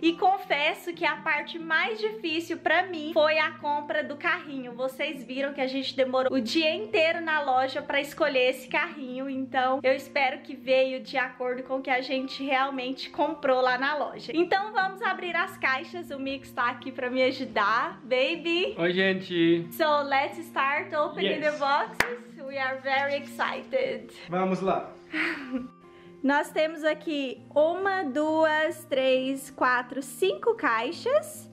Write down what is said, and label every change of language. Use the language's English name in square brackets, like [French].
[Portuguese] E confesso que a parte mais difícil pra mim foi a compra do carrinho. Vocês viram que a gente demorou o dia inteiro na loja pra escolher esse carrinho, então eu espero que veio de acordo com o que a gente realmente comprou lá na loja. Então vamos abrir as caixas, o Mix tá aqui pra me ajudar. Baby! Oi, gente! [English] So, let's start opening the boxes. We are very excited. [Portuguese] Vamos lá! Nós temos aqui uma, duas, três, quatro, cinco caixas.